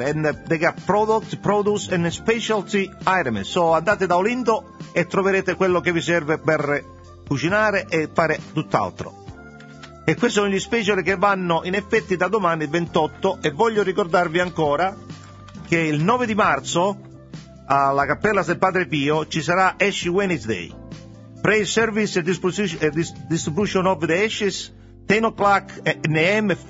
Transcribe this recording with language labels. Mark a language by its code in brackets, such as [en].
[en] And they got products, produce and specialty items. [it] So andate da Olindo e troverete quello che vi serve per cucinare e fare tutt'altro. E questi sono gli special che vanno in effetti da domani 28. E voglio ricordarvi ancora che il 9 di marzo alla Cappella del Padre Pio ci sarà Ash Wednesday. [en] Praise service and distribution of the ashes, 10 o'clock a.m.